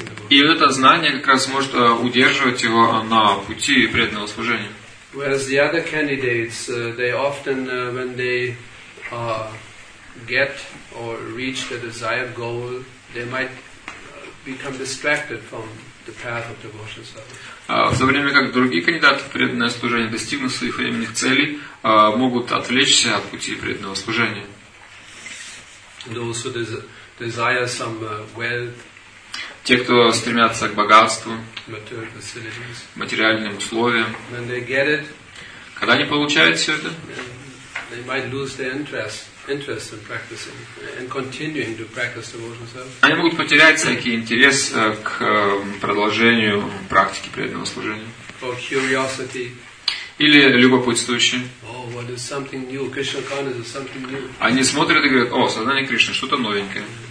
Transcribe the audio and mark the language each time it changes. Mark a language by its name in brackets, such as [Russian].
[Russian] И вот это знание как раз может удерживать его на пути преданного служения. [English] Whereas the other candidates, they often, when they get or reach the desired goal, they might become distracted from the path of devotional service. [Russian] В то время как другие кандидаты в преданное служение, достигнув своих временных целей, могут отвлечься от пути преданного служения. [English] Those who desire some wealth. [Russian] Те, кто стремятся к богатству, [English] material facilities, [Russian] материальным условиям, [English] when they get it, [Russian] когда они получают все это, [English] they might lose their interest in practicing and continuing to practice devotional service. [Russian] Они могут потерять всякий интерес к продолжению практики преданного служения. [English] Or curiosity. [Russian] Или любопытствующие. [English] Oh, what is something new? Krishna consciousness is something new. [Russian] Они смотрят и говорят, о, сознание Кришны, что-то новенькое.